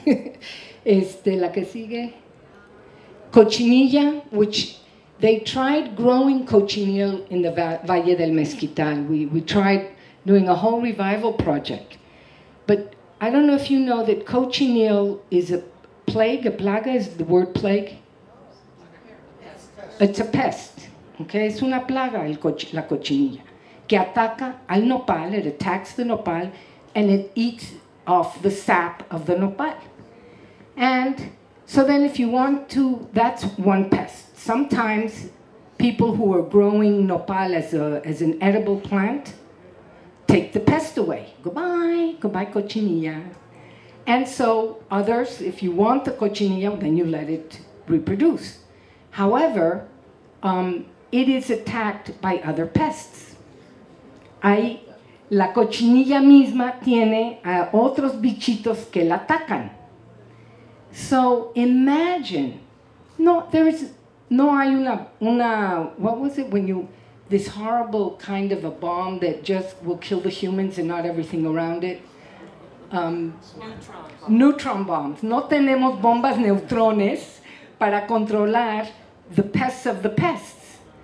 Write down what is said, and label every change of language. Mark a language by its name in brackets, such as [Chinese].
[English] la que sigue. Cochinilla, which they tried growing cochineal in the Valle del Mezquital. We tried doing a whole revival project. But I don't know if you know that cochineal is a plague, a plaga is the word plague. It's a pest. [Spanish] Okay, es una plaga, la cochinilla, que ataca al nopal. [English] It attacks the nopal, and it eats off the sap of the nopal. And so then, if you want to, that's one pest. Sometimes people who are growing nopal as an edible plant take the pest away. Goodbye, goodbye, cochinilla. And so others, if you want the cochinilla, then you let it reproduce. However, it is attacked by other pests. [Spanish] La cochinilla misma tiene a otros bichitos que la atacan. [English] So imagine, this horrible kind of a bomb that just will kill the humans and not everything around it. Neutron bombs. [Spanish] No tenemos bombas neutrones para controlar the pests of the pests.